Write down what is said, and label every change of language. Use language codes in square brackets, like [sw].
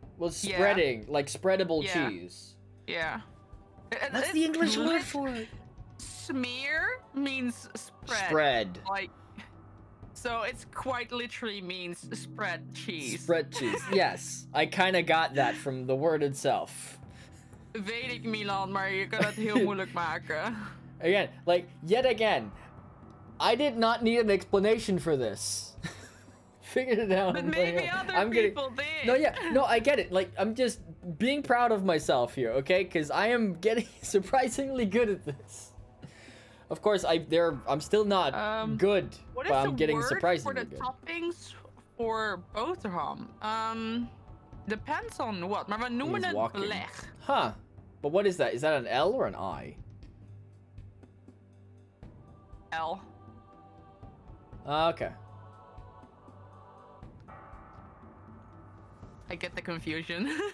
[en] Well, spreading, yeah. Spreadable cheese. Yeah. What's the English word for it? Smear means spread. Spread. So it's quite literally means spread cheese. Spread cheese. Yes, I kind of got that from the word itself. [nl] Weet ik, Milan, maar je kan het heel moeilijk maken. [en] Again, yet again, I did not need an explanation for this. Figured it out. But maybe other people did. No, I get it. I'm just being proud of myself here, okay? Because I am getting surprisingly good at this. Of course, I'm still not good, but I'm getting surprisingly good. What is the word for the toppings for boterham? Depends on what. [nl] Maar we noemen het blech. [en] Huh. But what is that? Is that an L or an I? L. Okay. I get the confusion.